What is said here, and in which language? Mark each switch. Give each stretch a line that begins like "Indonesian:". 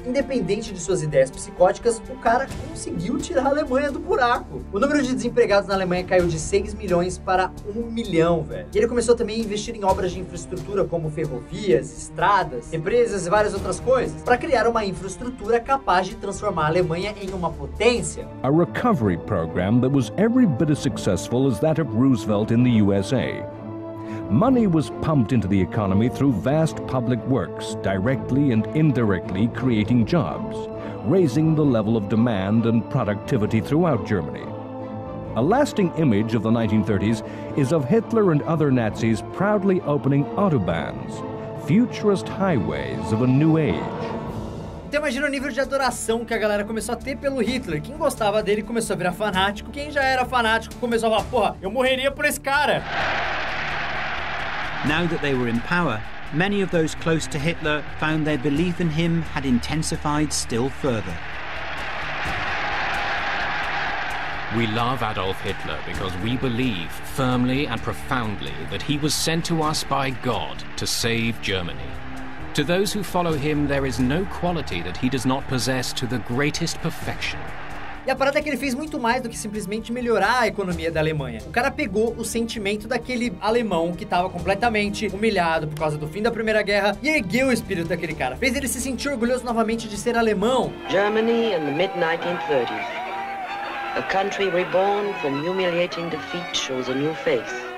Portuguese: Independente de suas ideias psicóticas, o cara conseguiu tirar a Alemanha do buraco. O número de desempregados na Alemanha caiu de 6 milhões para 1 milhão, velho. E ele começou também a investir em obras de infraestrutura como ferrovias, estradas, represas e várias outras coisas, para criar uma infraestrutura capaz de transformar a Alemanha em uma potência.
English: A recovery program that was every bit as successful as that of Roosevelt in the USA. Money was pumped into the economy through vast public works, directly and indirectly creating jobs, raising the level of demand and productivity throughout Germany. A lasting image of the 1930s is of Hitler and other Nazis proudly opening autobahns, futurist highways of a new age.
Portuguese: Então imagina o nível de adoração que a galera começou a ter pelo Hitler. Quem gostava dele começou a virar fanático. Quem já era fanático começou a falar, porra, eu morreria por esse cara.
English: Now that they were in power, many of those close to Hitler found their belief in him had intensified still further. We love Adolf Hitler because we believe firmly and profoundly that he was sent to us by God to save Germany. To those who follow him, there is no quality that he does not possess to the greatest perfection.
Portuguese: E a parada é que ele fez muito mais do que simplesmente melhorar a economia da Alemanha. O cara pegou o sentimento daquele alemão que estava completamente humilhado por causa do fim da Primeira Guerra e ergueu o espírito daquele cara. Fez ele se sentir orgulhoso novamente de ser alemão.
English: Germany in the mid-1930s. A country reborn from humiliating defeat shows a new face.